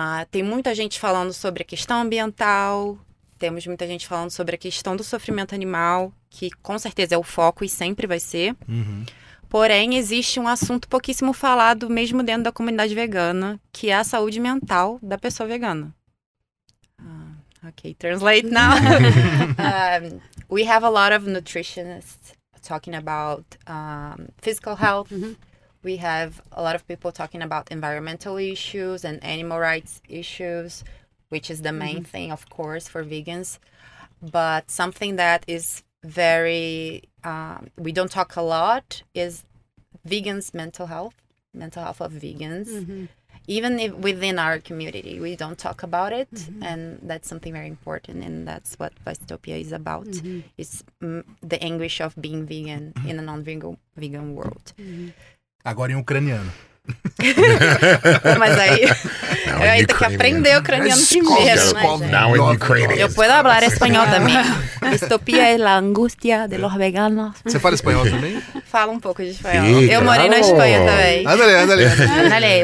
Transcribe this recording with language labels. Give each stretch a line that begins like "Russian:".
Portuguese: Tem muita gente falando sobre a questão ambiental. Temos muita gente falando sobre a questão do sofrimento animal, que com certeza é o foco e sempre vai ser. Porém, existe um assunto pouquíssimo falado, mesmo dentro da comunidade vegana, que é a saúde mental da pessoa vegana.
English: Translate now. We have a lot of nutritionists talking about physical health. Mm-hmm. We have a lot of people talking about environmental issues and animal rights issues, which is the main thing, of course, for vegans. But something that is very... we don't talk a lot is... vegans' mental health of vegans, even if within our community, we don't talk about it, and that's something very important, and that's what Vistopia is about. Mm-hmm. It's the anguish of being vegan in a non-vegan world.
Portuguese: Mm-hmm. Agora em ucraniano. Mas aí, eu ainda tenho que aprender ucraniano primeiro,
English: né? Now in Ukrainian.
Portuguese: Eu posso falar espanhol também. Vistopia é a angústia
Spanish: de los veganos.
Portuguese: Você fala espanhol também? Fala um pouco de espanhol. Sim, eu morei na Espanha também.
Spanish: Ándale,